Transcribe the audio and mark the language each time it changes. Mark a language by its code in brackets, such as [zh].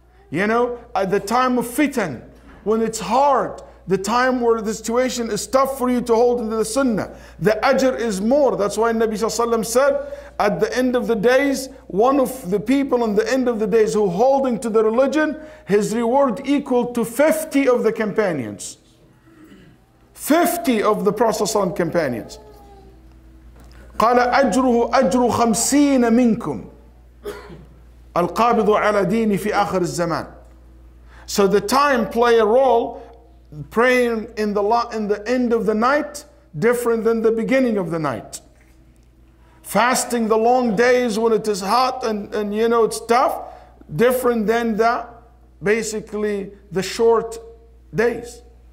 [en] You know, at the time of fitan, when it's hard, the time where the situation is tough for you to hold into the sunnah, the ajr is more. That's why Nabi Sallallahu Alaihi Wasallam said, at the end of the days, one of the people in the end of the days who holding to the religion, his reward equal to 50 of the companions. 50 of the Prophet ﷺ companions. [ar] قال أجره أجر خمسين منكم القابض على ديني في آخر الزمان. [en] So the time play a role, praying in the end of the night, different than the beginning of the night. Fasting the long days when it is hot and you know it's tough, different than that, basically the short days.